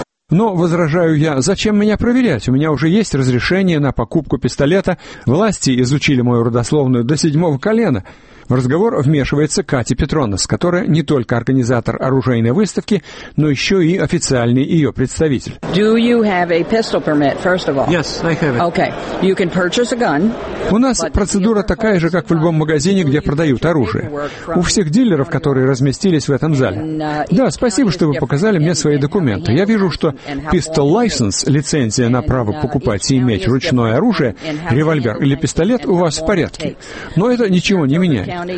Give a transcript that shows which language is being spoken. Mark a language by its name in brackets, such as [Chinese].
[Russian] Но, возражаю я, зачем меня проверять? У меня уже есть разрешение на покупку пистолета. Власти изучили мою родословную до седьмого колена. В разговор вмешивается Катя Петронос, которая не только организатор оружейной выставки, но еще и официальный ее представитель. [English] Do you have a pistol permit, first of all? Yes, I have it. Okay. You can purchase a gun. [Russian] У нас процедура такая же, как в любом магазине, где продают оружие. У всех дилеров, которые разместились в этом зале. Да, спасибо, что вы показали мне свои документы. Я вижу, что pistol license, лицензия на право покупать и иметь ручное оружие, револьвер или пистолет, у вас в порядке. Но это ничего не меняет.